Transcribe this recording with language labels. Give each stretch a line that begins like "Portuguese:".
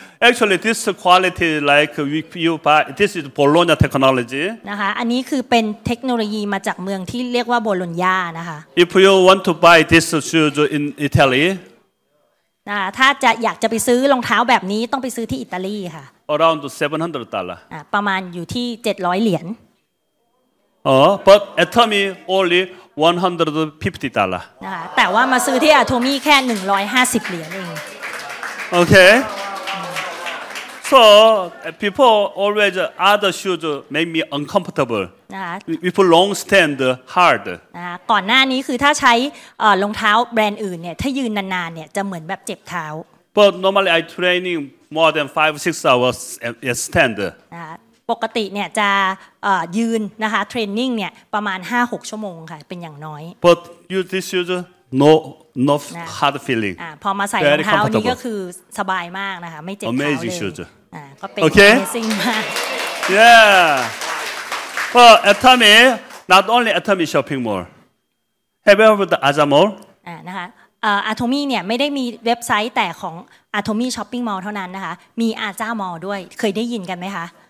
English: Actually, this quality, like you buy, this is Bologna technology.
Thai: นะคะอันนี้คือเป็นเทคโนโลยีมาจากเมืองที่เรียกว่าโบโลญญานะคะ
English: If you want to buy this shoes in Italy,
Thai: ถ้าจะอยากจะไปซื้อรองเท้าแบบนี้ต้องไปซื้อที่อิตาลีค่ะ
English: Around 700 dollar.
Thai: ประมาณอยู่ที่700เหรียญ
English: but Atomy only 150 dollar.
Thai: นะคะแต่ว่ามาซื้อที่ Atomy แค่150เหรียญเอง
English: Okay. So people always other shoes make me uncomfortable. People long stand hard.
Thai: ก่อนหน้านี้คือถ้าใช้รองเท้าแบรนด์อื่นเนี่ยถ้ายืนนานๆเนี่ยจะเหมือนแบบเจ็บเท้า
English: But normally I training more than 5-6 hours at stand.
Thai: ปกติเนี่ยจะยืนนะคะเทรนนิ่งเนี่ยประมาณ 5-6 ชั่วโมงค่ะเป็นอย่างน้อย
English: But use this shoes no hard feeling
Thai: พอมาใส่รองเท้านี้ก็คือสบายมากนะคะไม่เจ็บเท้าเลย
English: Amazing shoes
Thai: ก็เป็น Amazing มาก
English: Yeah Well Atomy not only Atomy shopping mall have you ever heard of Aza mall
Thai: นะคะ Atomy เนี่ยไม่ได้มีเว็บไซต์แต่ของ Atomy shopping mall เท่านั้นนะคะมี Aza mall ด้วยเคยได้ยินกันไหมคะ